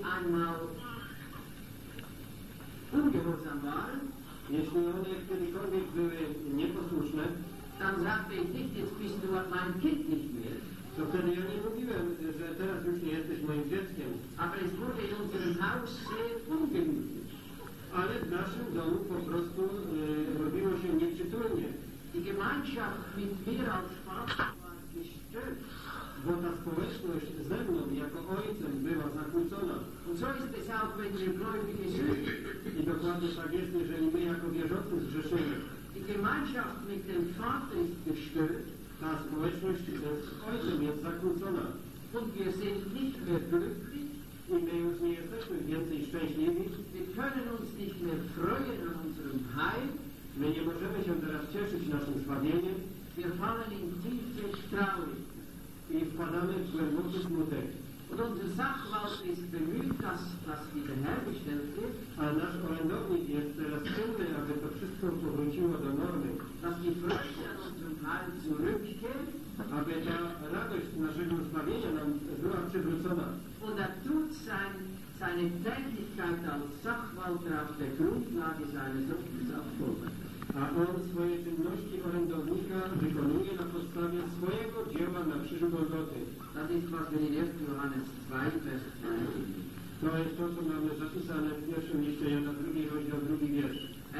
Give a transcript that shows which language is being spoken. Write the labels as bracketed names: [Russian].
[German] mal ungehorsam war, [Polish] jeśli one kiedykolwiek były nieposłuszne, [German] dann sagte ich nicht, jetzt bist du mein Kind nicht mehr. [Polish] To wtedy ja nie mówiłem, że teraz już nie jesteś moim dzieckiem. [German] Aber es wurde in unserem Haus sehr ungemütlich. [Polish] Ale w naszym domu po prostu robiło się nieprzytulnie. [German] Die Gemeinschaft mit mir als Vater war gestört. [Polish] Bo ta społeczność ze mną jako ojcem była zakłócona. [German] Und so ist es auch, wenn wir gläubige sind. [Polish] I dokładnie tak jest, jeżeli my jako wierzący zgrzeszymy. [German] Die Gemeinschaft mit dem Vater ist gestört. [Polish] Ta społeczność ze ojcem jest zakłócona. [German] Und wir sind nicht mehr glücklich. [Polish] I my już nie jesteśmy więcej szczęśliwi. [German] Wir können uns nicht mehr freuen an unserem Heil. [Polish] My nie możemy się teraz cieszyć naszym zbawieniem. [German] Wir fallen in tiefe Trauer. [Polish] I wpadamy w głęboki smutek. [German] Und unser Sachwalt ist bemüht, das wieder hergestellt wird. [Polish] Ale nasz orędownik jest teraz pilny, aby to wszystko powróciło do normy. [German] Dass die Freude an unserem Heil zurückkehrt. [Polish] Aby ta radość naszego zbawienia nam była przywrócona. [German] Und er tut seine Tätigkeit als Sachwalt auf der Grundlage seines Aufgabens. [Polish] A on swoje czynności orędownika wykonuje na podstawie swojego dzieła na krzyżu Golgoty. To jest to, co mamy zapisane w pierwszym liście Jana, drugi rozdział, drugi wiersz.